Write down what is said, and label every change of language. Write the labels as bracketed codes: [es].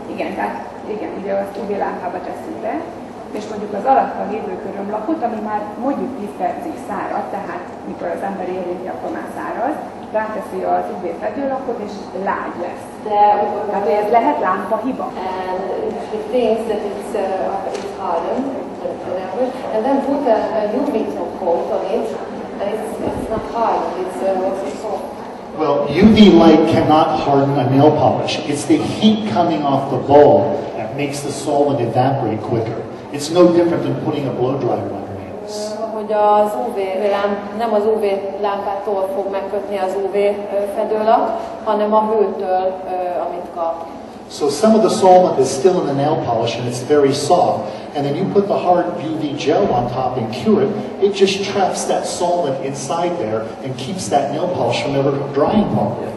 [hu] Igen, tehát igen, ugye azt UV lámpába teszünk be, és mondjuk az alatta lévő körömlapot, ami már mondjuk 10 percig száradt, tehát mikor az ember érinti, akkor már száraz, ráteszi az UV fedőlapot, és lágy lesz. Tehát ez lehet lámpa hiba? [en] And then put a UV coat on it, and it's not hard, it's what's it called? Well, UV light cannot harden a nail polish. It's the heat coming off the bulb that makes the solvent evaporate quicker. It's no different than putting a blow dryer on your nails. [hu] Hogy az UV nem az UV lámpától fog megkötni az UV fedőlap, hanem a hőtől, amit kap. [en] So some of the solvent is still in the nail polish and it's very soft. And then you put the hard UV gel on top and cure it, it just traps that solvent inside there and keeps that nail polish from ever drying properly.